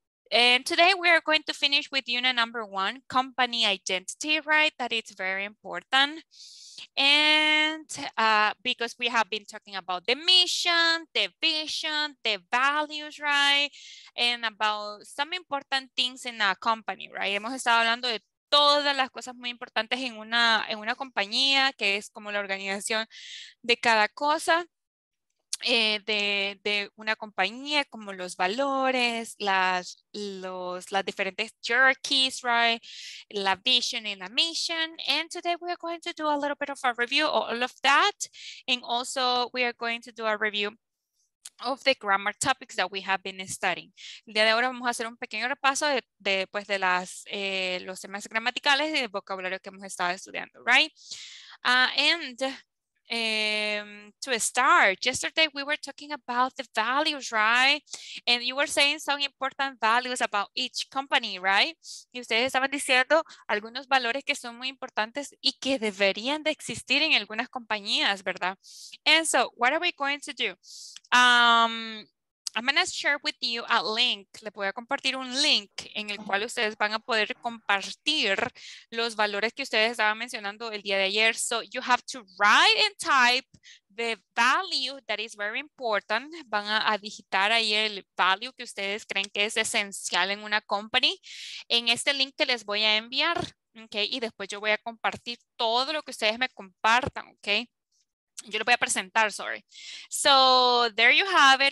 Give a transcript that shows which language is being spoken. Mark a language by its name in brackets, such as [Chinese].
[English] And today we are going to finish with unit number one, company identity, right? That is very important. And because we have been talking about the mission, the vision, the values, right? And about some important things in a company, right? [Spanish] Hemos estado hablando de todas las cosas muy importantes en una compañía, que es como la organización de cada cosa, de una compañía, como los valores, las diferentes jerarchies, right? La vision and la mission. [English] And today we are going to do a little bit of a review of all of that. And also we are going to do a review of the grammar topics that we have been studying. [Spanish] El día de ahora vamos a hacer un pequeño repaso de los temas gramaticales y del vocabulario que hemos estado estudiando, right? And [English] to start. Yesterday we were talking about the values, right? And you were saying some important values about each company, right? [Spanish] Y ustedes estaban diciendo algunos valores que son muy importantes y que deberían de existir en algunas compañías, ¿verdad? [English] And so, what are we going to do? I'm going to share with you a link. [Spanish] Le voy a compartir un link en el cual ustedes van a poder compartir los valores que ustedes estaban mencionando el día de ayer. [English] So you have to write and type the value that is very important. [Spanish] Van a digitar ahí el value que ustedes creen que es esencial en una company en este link que les voy a enviar. Okay. Y después yo voy a compartir todo lo que ustedes me compartan. Okay. [English] Yo lo voy a presentar, sorry. So, there you have it.